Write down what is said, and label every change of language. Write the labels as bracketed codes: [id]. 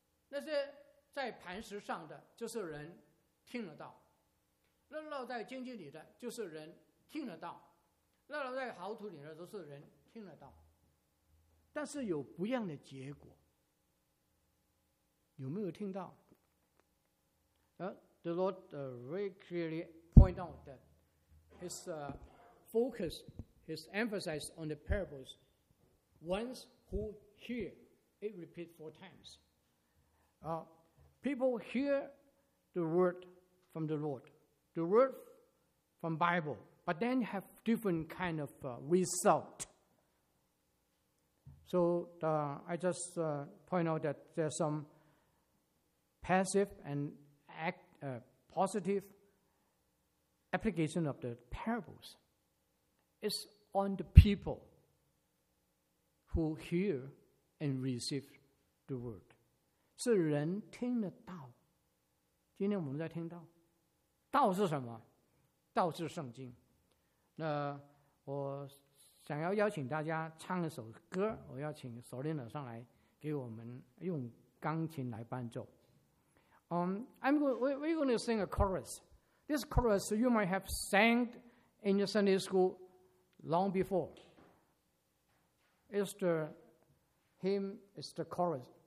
[zh] 那些在磐石上的，就是人听得到；那落在荆棘里的，就是人听得到；那落在好土里的，都是人听得到。但是有不一样的结果，有没有听到？ [en] The Lord very clearly point out that his focus, his emphasis on the parables, ones who hear it repeat four times. People hear the word from the Lord, the word from Bible, but then have different kind of result. So I just point out that there's some passive and positive application of the parables. It's on the people who hear and receive the word. [zh] 是人听得到，今天我们在听到，道是什么？道是圣经。那我想要邀请大家唱一首歌，我要请首领上来给我们用钢琴来伴奏。 [en] We're going to sing a chorus. This chorus you might have sang in your Sunday school long before. It's the chorus.